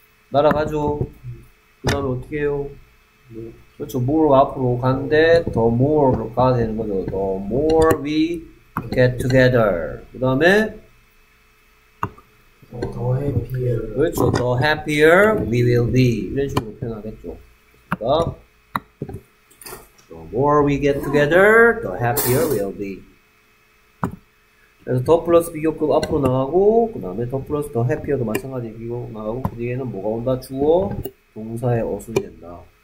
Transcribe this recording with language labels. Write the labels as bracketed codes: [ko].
[ko] 날아가죠. 그 다음에 어떻게 해요? 그렇죠. more 앞으로 가는데 더 more가 되는 거죠. [en] The more we get together. [ko] 그 다음에 더 happier. 그렇죠. [en] The happier we will be. [ko] 이런 식으로 표현하겠죠. [en] 그러니까 the more we get together, the happier we'll be. [ko] 그래서 더 플러스 비교급 앞으로 나가고, 그 다음에 더 플러스 더 happier도 마찬가지 비교 나가고, 그 뒤에는 뭐가 온다? 주어, 동사의 어순이 된다.